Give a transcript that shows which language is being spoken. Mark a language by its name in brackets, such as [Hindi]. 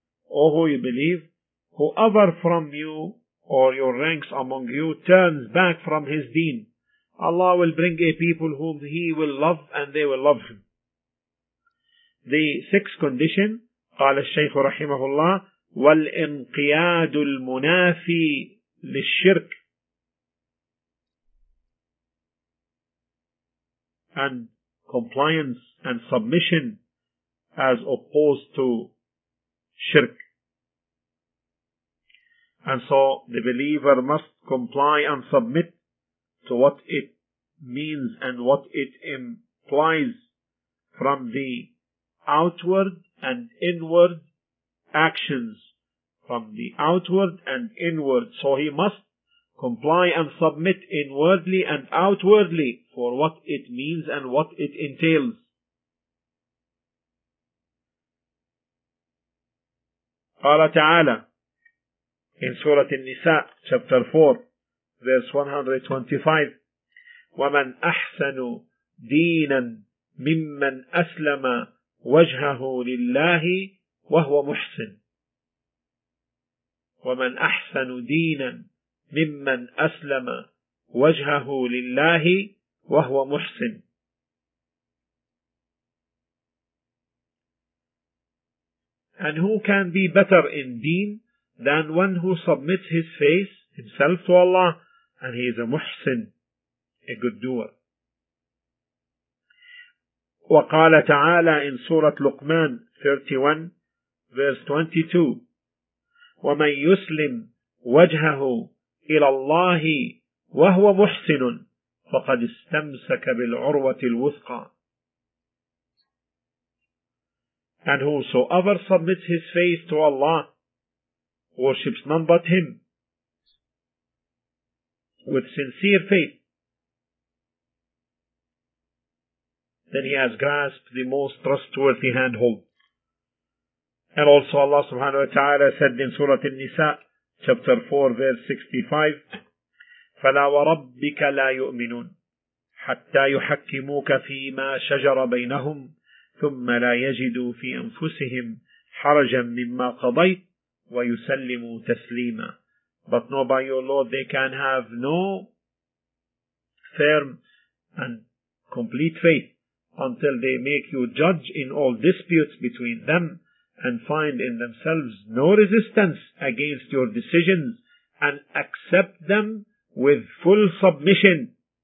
[English] O who you believe, whoever from you or your ranks among you turns back from his deen, Allah will bring a people whom He will love and they will love Him. The sixth condition, [Arabic] قال الشيخ رحمه الله, والانقياد المنافي للشرك. [English] And compliance and submission as opposed to shirk. And so the believer must comply and submit to what it means and what it implies from the outward and inward actions. From the outward and inward. So he must comply and submit inwardly and outwardly for what it means and what it entails. [Arabic] قال تعالى [English] in Surah An-Nisa, chapter 4, verse 125, [Arabic] وَمَنْ أَحْسَنُ دِينًا مِمَّنْ أَسْلَمَ وَجْهَهُ لِلَّهِ وَهُوَ مُحْسِنٌ وَمَنْ أَحْسَنُ دِينًا مِمَّنْ أَسْلَمَ وَجْهَهُ لِلَّهِ وَهُوَ مُحْسِنٌ. [English] And who can be better in deen than one who submits his face, himself to Allah, and he is a muhsin, a good doer. [Arabic] وَقَالَ تَعَالَى [English] in Surah Luqman 31, verse 22, [Arabic] وَمَنْ يُسْلِمْ وَجْهَهُ إِلَى اللَّهِ وَهُوَ مُحْسِنٌ فَقَدْ اسْتَمْسَكَ بِالْعُرْوَةِ الْوُثْقَى. [English] And whosoever submits his face to Allah, worships none but Him, with sincere faith, then He has grasped the most trustworthy handhold. And also Allah subhanahu wa ta'ala said in Surah An-Nisa, chapter 4, verse 65, [Arabic] فَلَا وَرَبِّكَ لَا يُؤْمِنُونَ حَتَّى يُحَكِّمُوكَ فِي مَا شَجَرَ بَيْنَهُمْ ثُمَّ لَا يَجِدُوا فِي أَنفُسِهِمْ حَرَجًا مِمَّا قَضَيْتَ وَيُسَلِّمُوا تَسْلِيمًا. [English] But no, by your Lord, they can have no firm and complete faith until they make you judge in all disputes between them and find in themselves no resistance against your decisions and accept them with full submission.